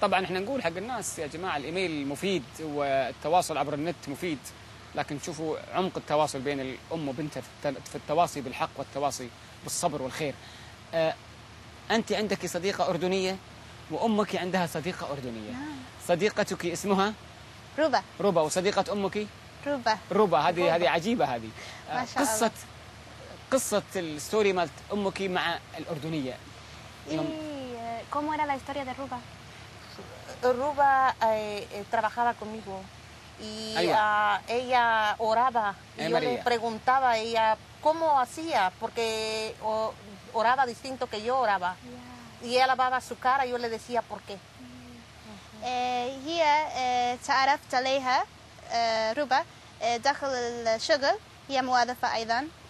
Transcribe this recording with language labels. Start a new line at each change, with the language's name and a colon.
Arabic: طبعا احنا نقول حق الناس يا جماعة الإيميل مفيد والتواصل عبر النت مفيد لكن شوفوا عمق التواصل بين الأم وبنتها في التواصي بالحق والتواصي بالصبر والخير أنت عندك صديقة أردنية وأمك عندها صديقة أردنية صديقتك اسمها؟ روبا وصديقة أمك؟ روبا هذه عجيبة هذه ما شاء قصة الله. قصة الستوري مالت أمك مع الأردنية إيه
Spanish: كم era la historia de Ruba Ruba trabajaba conmigo y ella oraba y yo le preguntaba a ella cómo hacía porque oraba distinto que yo oraba y ella lavaba su cara y yo le decía por qué
Arabic: هي تعرفت عليها روبا داخل الشغل هي موظفة أيضا